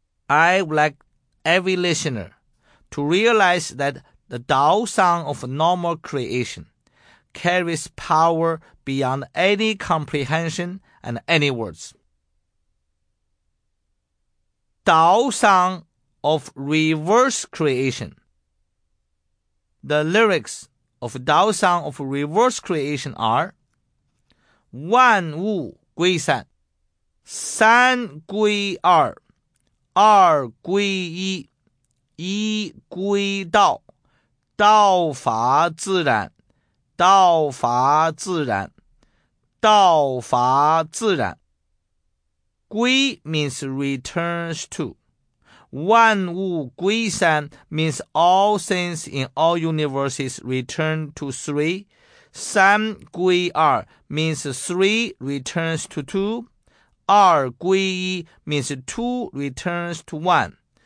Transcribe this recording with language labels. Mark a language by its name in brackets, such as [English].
[English] I would like every listener to realize that the Dao song of normal creation carries power beyond any comprehension and any words. Dao song of reverse creation. The lyrics of Dao song of reverse creation are [Chinese] 万物归三，三归二，二归一，一归道，道法自然，道法自然，道法自然。 [English] Gui means returns to. Wan Wu Gui San means all things in all universes return to three. San Gui Er means three returns to two. Er Gui Yi means two returns to one.